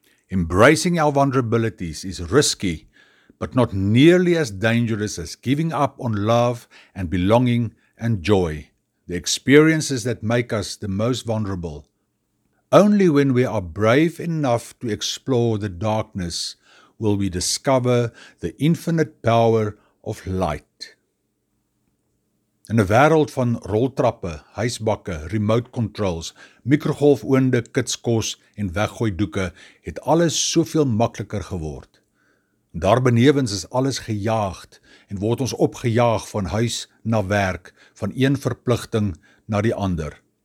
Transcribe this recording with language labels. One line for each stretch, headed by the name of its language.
English: Embracing our vulnerabilities is risky, but not nearly as dangerous as giving up on love and belonging and joy, the experiences that make us the most vulnerable. Only when we are brave enough to explore the darkness will we discover the infinite power of light."
Afrikaans: In 'n wêreld van roltrappe, huisbakke, remote controls, mikrogolfoonde, kitskos en weggooidoeke het alles soveel makliker geword. Daarbenewens is alles gejaagd en word ons opgejaag van huis na werk, van een verpligting na die ander.